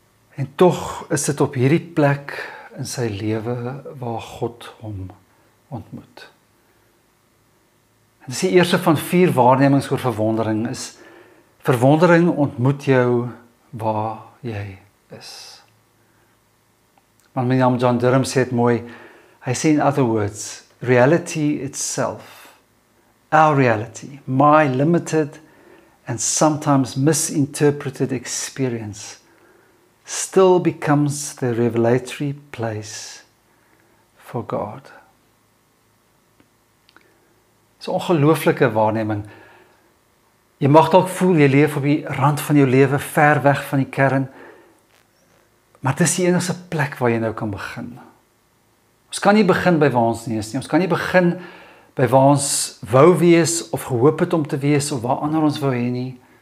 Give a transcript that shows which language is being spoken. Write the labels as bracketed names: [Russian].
[Afrikaans] En tog is dit op hierdie plek in sy lewe waar God hom ontmoet. En dis die eerste van vier waarnemings oor verwondering is, verwondering ontmoet jou waar jy is. Want William John Durham sê het mooi, hy sê [English] in other words, reality itself, our reality, my limited and sometimes misinterpreted experience, still becomes the revelatory place for God. [Afrikaans] Dis 'n ongelooflike waarneming. Jy mag dalk voel jy leef op die rand van jou lewe, ver weg van die kern, maar dis die enigste plek waar jy nou kan begin. Ons kan nie begin by waar ons nie is nie. Ons kan nie begin by waar ons wou wees of gehoop het om te wees of waar ander ons wou hê nie.